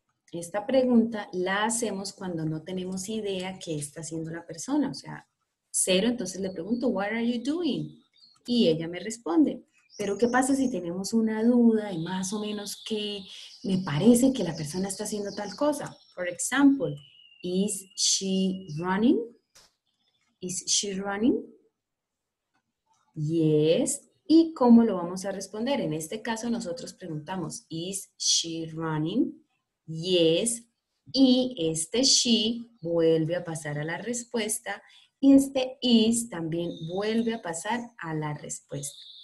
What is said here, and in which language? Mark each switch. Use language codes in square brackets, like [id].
[es] Esta pregunta la hacemos cuando no tenemos idea qué está haciendo la persona, o sea, cero, entonces le pregunto, [en] what are you doing? [es] Y ella me responde, pero ¿qué pasa si tenemos una duda y más o menos qué me parece que la persona está haciendo tal cosa? [en] For example, is she running? Is she running? Yes. [es] ¿Y cómo lo vamos a responder? En este caso nosotros preguntamos, [en] is she running? Yes. [es] Y este she vuelve a pasar a la respuesta. Y este is también vuelve a pasar a la respuesta.